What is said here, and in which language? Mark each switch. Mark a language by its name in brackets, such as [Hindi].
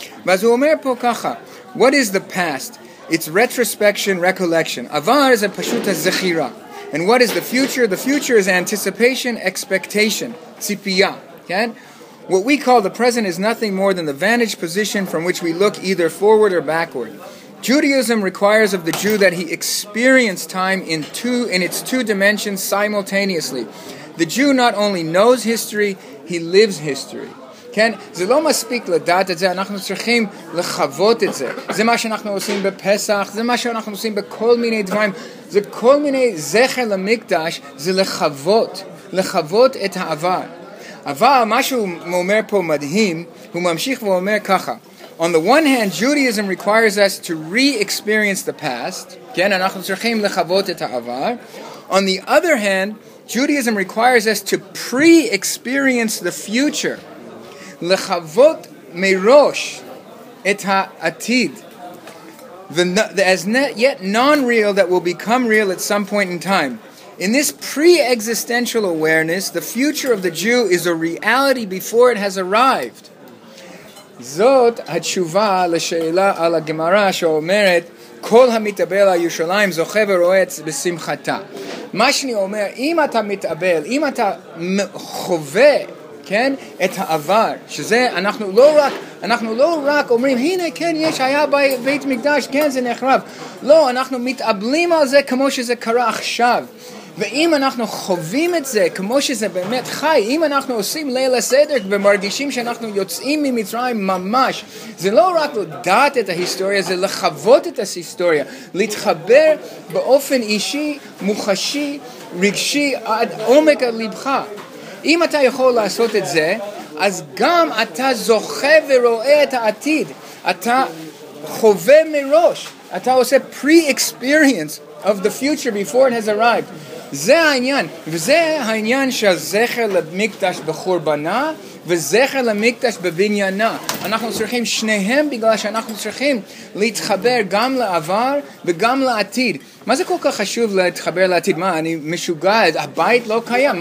[Hebrew] ואז הוא אומר פה ככה, [English] what is the past? It's retrospection, recollection. Avar is a pashuta zechira. And what is the future? The future is anticipation, expectation, tzipiya. Okay? What we call the present is nothing more than the vantage position from which we look either forward or backward. Judaism requires of the Jew that he experience time in its two dimensions simultaneously. The Jew not only knows history, he lives history. [Hebrew] כן? זה לא מספיק לדעת את זה, אנחנו צריכים לחוות את זה. זה מה שאנחנו עושים בפסח, זה מה שאנחנו עושים בכל מיני דברים. זה כל מיני זכר למקדש, זה לחוות את העבר. אבל מה שהוא אומר פה מדהים, הוא ממשיך ואומר ככה. [English] On the one hand, Judaism requires us to re-experience the past. [Hebrew] כן? אנחנו צריכים לחוות את העבר. [English] On the other hand, Judaism requires us to pre-experience the future. [Hebrew] לחוות מראש את העתיד, [English] the as yet non-real that will become real at some point in time. In this pre-existential awareness, the future of the Jew is a reality before it has arrived. [Hebrew] זאת התשובה לשאלה על הגמרא שאומרת, כל המתאבל על ירושלים זוכה ורועץ בשמחתה. מה שאני אומר, אם אתה מתאבל, אם אתה חווה, כן? את העבר, שזה אנחנו לא רק אומרים, הנה כן, יש, היה בית מקדש, כן, זה נחרב. לא, אנחנו מתאבלים על זה כמו שזה קרה עכשיו. ואם אנחנו חווים את זה כמו שזה באמת חי, אם אנחנו עושים ליל הסדר ומרגישים שאנחנו יוצאים ממצרים ממש, זה לא רק לדעת את ההיסטוריה, זה לחוות את ההיסטוריה, להתחבר באופן אישי, מוחשי, רגשי, עד עומק הלבך. אם אתה יכול לעשות את זה, אז גם אתה זוכה ורואה את העתיד. אתה חווה מראש. אתה עושה [English] pre-experience of the future before it has arrived. [Hebrew] זה העניין. וזה העניין של זכר למקדש בחורבנה, וזכר למקדש בבניינה. אנחנו צריכים שניהם בגלל שאנחנו צריכים להתחבר גם לעבר וגם לעתיד. מה זה כל כך חשוב להתחבר לעתיד? מה, אני משוגע, הבית לא קיים.